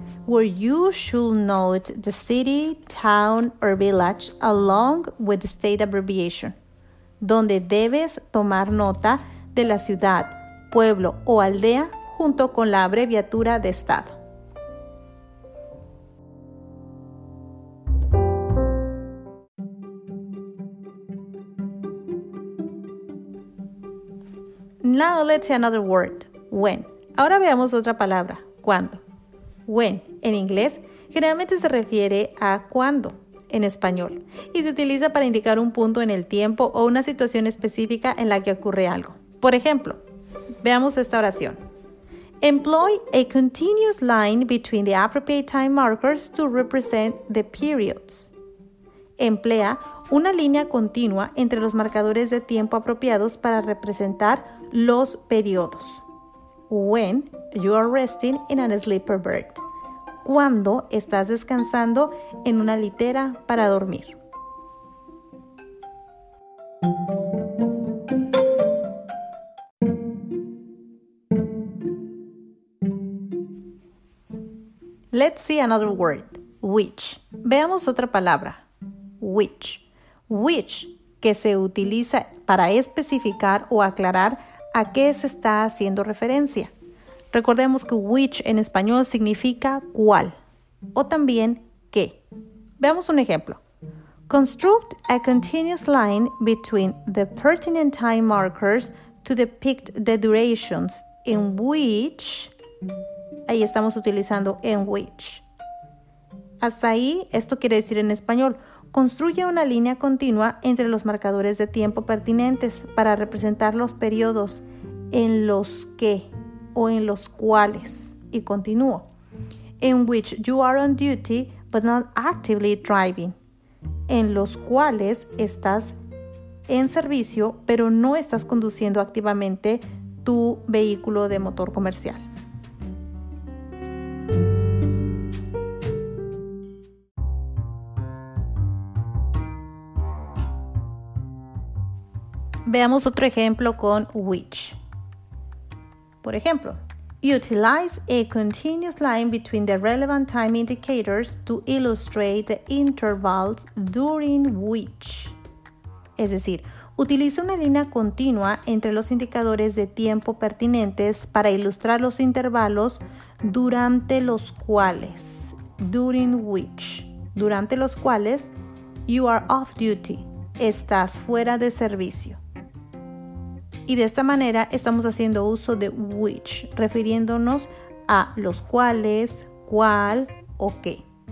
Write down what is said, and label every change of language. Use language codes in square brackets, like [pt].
[en] Where you should note the city, town, or village along with the state abbreviation. [es] Donde debes tomar nota de la ciudad, pueblo o aldea junto con la abreviatura de estado. [en] Now let's see another word, when. [es] Ahora veamos otra palabra, cuando. When, en inglés, generalmente se refiere a cuando, en español, y se utiliza para indicar un punto en el tiempo o una situación específica en la que ocurre algo. Por ejemplo, veamos esta oración. [en] Employ a continuous line between the appropriate time markers to represent the periods. [es] Emplea una línea continua entre los marcadores de tiempo apropiados para representar los periodos. [en] When you are resting in a sleeper bed. [es] Cuando estás descansando en una litera para dormir. [en] Let's see another word, which. [es] Veamos otra palabra, [en] which. [es] Which, que se utiliza para especificar o aclarar a qué se está haciendo referencia. Recordemos que which en español significa cuál o también qué. Veamos un ejemplo. [en] Construct a continuous line between the pertinent time markers to depict the durations in which. [es] Ahí estamos utilizando en which. Hasta ahí, esto quiere decir en español, construye una línea continua entre los marcadores de tiempo pertinentes para representar los periodos en los que o en los cuales. Y continúo. [en] In which you are on duty but not actively driving. [es] En los cuales estás en servicio pero no estás conduciendo activamente tu vehículo de motor comercial. Veamos otro ejemplo con which. Por ejemplo, [en] utilize a continuous line between the relevant time indicators to illustrate the intervals during which. [es] Es decir, utiliza una línea continua entre los indicadores de tiempo pertinentes para ilustrar los intervalos durante los cuales. [en] During which. [es] Durante los cuales [en] you are off duty. [es] Estás fuera de servicio. Y de esta manera estamos haciendo uso de which, refiriéndonos a los cuales, cuál o qué.